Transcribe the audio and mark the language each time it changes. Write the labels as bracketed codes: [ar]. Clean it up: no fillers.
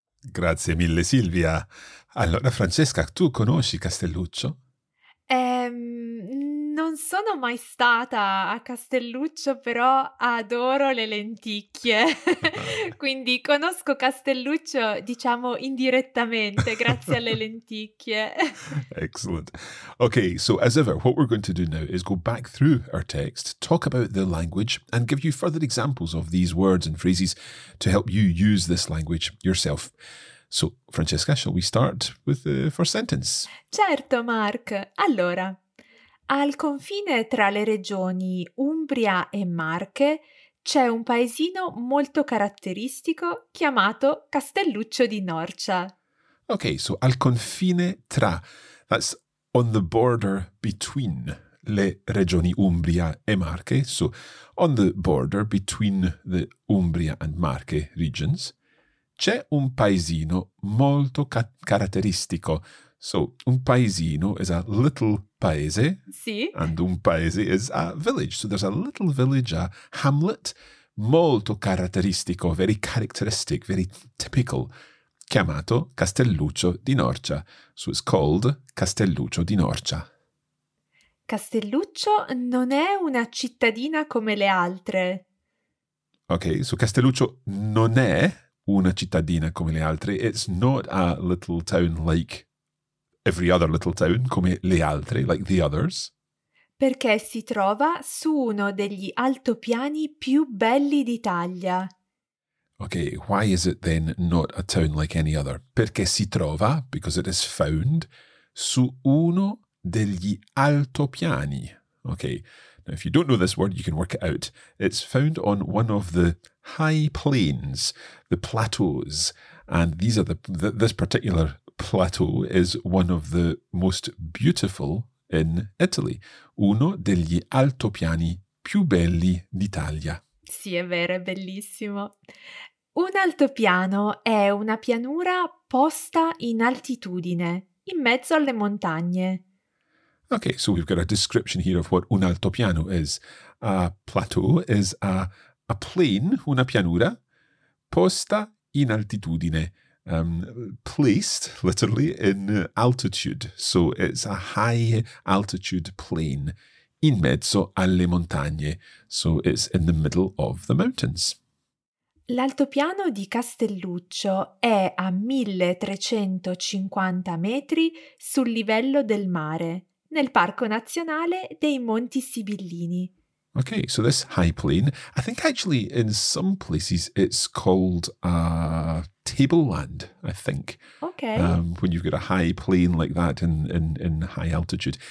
[it] Grazie mille, Silvia. Allora, Francesca, tu conosci Castelluccio? Non sono mai stata a Castelluccio, però adoro le lenticchie. Quindi conosco Castelluccio, diciamo, indirettamente, grazie alle lenticchie. [en] Excellent. Okay, so as ever, what we're going to do now is go back through our text, talk about the language, and give you further examples of these words and phrases to help you use this language yourself. So, Francesca, shall we start with the first sentence? [it] Certo, Mark. Allora, al confine tra le regioni Umbria e Marche c'è un paesino molto caratteristico chiamato Castelluccio di Norcia. [en] Okay, so [it] al confine tra, [en] that's on the border between [it] le regioni Umbria e Marche, [en] so on the border between the Umbria and Marche regions, [it] c'è un paesino molto caratteristico. [en] So, un paesino is a little paese. [it] Sì. [en] And [it] un paese [en] is a village. So, there's a little village, a hamlet, [it] molto caratteristico, [en] very characteristic, very typical, [it] chiamato Castelluccio di Norcia. [en] So, it's called Castelluccio di Norcia. [it] Castelluccio non è una cittadina come le altre. [en] Ok, so [it] Castelluccio non è una cittadina come le altre. [en] It's not a little town like every other little town, [it] come le altre, [en] like the others. [it] Perché si trova su uno degli altopiani più belli d'Italia. [en] Okay, why is it then not a town like any other? [it] Perché si trova, [en] because it is found, [it] su uno degli altopiani. [en] Okay, now if you don't know this word, you can work it out. It's found on one of the high plains, the plateaus, and these are this particular plateau is one of the most beautiful in Italy. [it] Uno degli altopiani più belli d'Italia. Sì, è vero, è bellissimo. Un altopiano è una pianura posta in altitudine, in mezzo alle montagne. [en] Okay, so we've got a description here of what [it] un altopiano [en] is. A plateau is a plain, [it] una pianura, posta in altitudine. [en] Placed, literally, in altitude. So it's a high altitude plain, [it] in mezzo alle montagne. [en] So it's in the middle of the mountains. [it] L'altopiano di Castelluccio è a 1350 metri sul livello del mare, nel Parco Nazionale dei Monti Sibillini. [en] Okay, so this high plain, I think actually in some places it's called a tableland, I think. Okay. When you've got a high plain like that in high altitude.